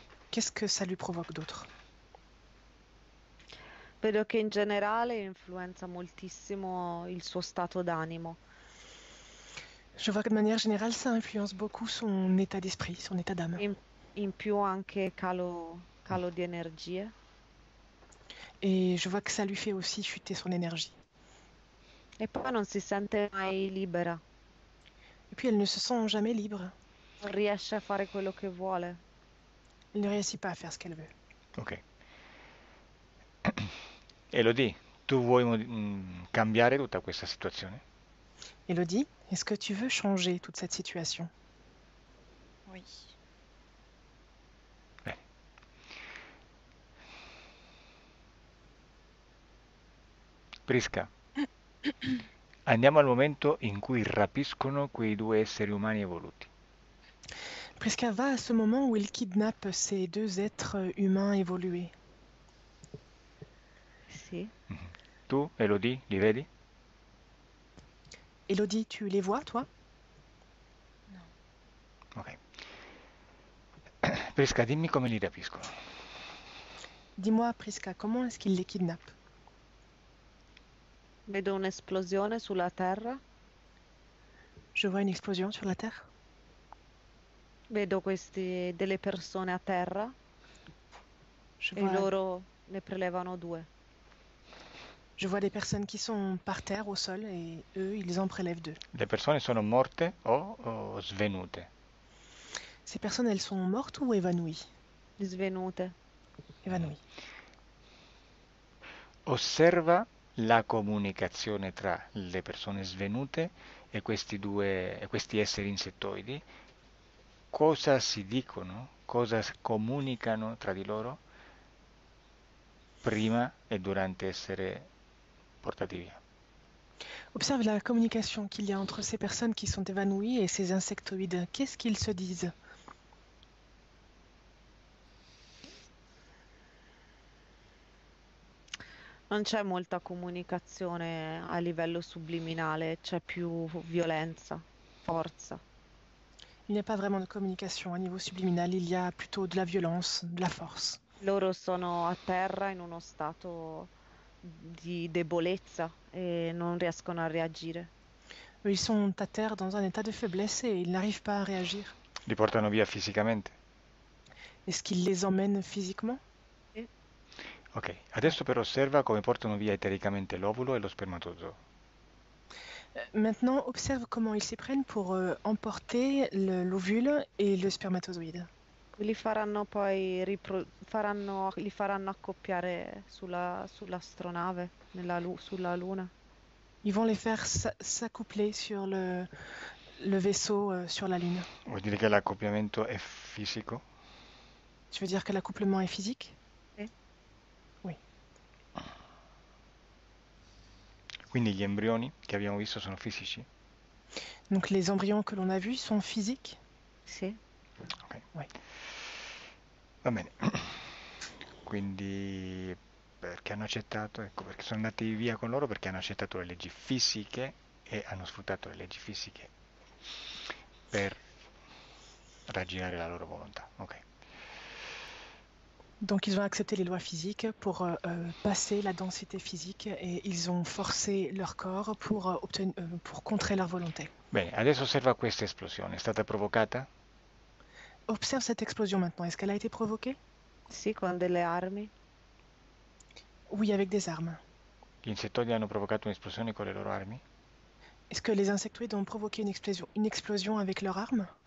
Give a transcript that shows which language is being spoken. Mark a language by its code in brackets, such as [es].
[fr] Qu'est-ce que ça lui provoque d'autre? [it] Vedo che in generale influenza moltissimo il suo stato d'animo. [fr] Je vois que de manière générale, ça influence beaucoup son état d'esprit, son état d'âme. [it] In più anche calo di energie. [fr] Et je vois que ça lui fait aussi chuter son énergie. [it] E poi non si sente mai libera. Non [fr] Et puis elle ne se sent jamais libre. [it] riesce a fare quello che vuole. [fr] Elle ne réussit pas à faire ce qu'elle veut. Ok. [it] Elodie, tu vuoi cambiare tutta questa situazione? [fr] Elodie, est-ce que tu veux changer toute cette situation? Oui. [it] Prisca, andiamo al momento in cui rapiscono quei due esseri umani evoluti. [fr] Presque va à ce moment où il kidnappe ces deux êtres humains évolués. [it] Tu, Elodie, li vedi? [fr] Elodie, tu les vois, toi? [it] Prisca, dimmi come li rapiscono. [fr] Dis-moi, Prisca, comment est-ce qu'il les kidnappe? [it] Vedo un'esplosione sulla Terra. [fr] Je vois une explosion sur la Terre. [it] Vedo queste delle persone a terra e loro ne prelevano due. [fr] Je vois des personnes qui sont par terre au sol et eux, ils en prélèvent deux. [it] Le persone sono morte o svenute? [fr] Ces personnes, elles sont mortes ou évanouies? [it] Svenute. [fr] Évanouies. [it] Osserva la comunicazione tra le persone svenute e questi esseri insettoidi. Cosa si dicono? Cosa comunicano tra di loro prima e durante essere portati via? [fr] Observe la communication qu'il y a entre ces personnes qui sont évanouies et ces insectoïdes. Qu'est-ce qu'ils se disent? [it] Non c'è molta comunicazione a livello subliminale, c'è più violenza, forza. [fr] Il n'y a pas vraiment de communication à niveau subliminal, il y a plutôt de la violence, de la force. [it] Loro sono a terra in uno stato di debolezza e non riescono a reagire. [fr] Ils sont à terre dans un état de faiblesse et ils n'arrivent pas à réagir. [it] Li portano via fisicamente? [fr] Est-ce qu'ils les emmènent physiquement? [it] Ok, adesso però osserva come portano via etericamente l'ovulo e lo spermatozoo. [fr] Maintenant, observe comment ils s'y prennent pour emporter l'ovule et le spermatozoïde. [it] Li faranno accoppiare sull'astronave, sulla Luna. [fr] Ils vont les faire s'accoupler sur le vaisseau sur la Lune. [it] Vuol dire che l'accoppiamento è fisico? [fr] Tu veux dire que l'accouplement est physique? [it] Quindi gli embrioni che abbiamo visto sono fisici? Ok. [fr] Donc les embryons [it] che [fr] l'on a vus sont physiques? [it] Sì. Va bene. Quindi perché hanno accettato? Ecco, perché sono andati via con loro, perché hanno accettato le leggi fisiche e hanno sfruttato le leggi fisiche per raggirare la loro volontà. Ok. [fr] Donc ils ont accepté les lois physiques pour passer la densité physique et ils ont forcé leur corps pour contrer leur volonté. [it] Bene, adesso osserva questa esplosione. È stata provocata? [fr] Observe cette explosion maintenant. Est-ce qu'elle a été provoquée? [it] Sì, con delle armi. [fr] Oui, avec des armes. [it] Gli insettoidi hanno provocato un'esplosione con le loro armi? [fr] Est-ce que les insectoïdes ont provoqué une explosion avec leurs armes?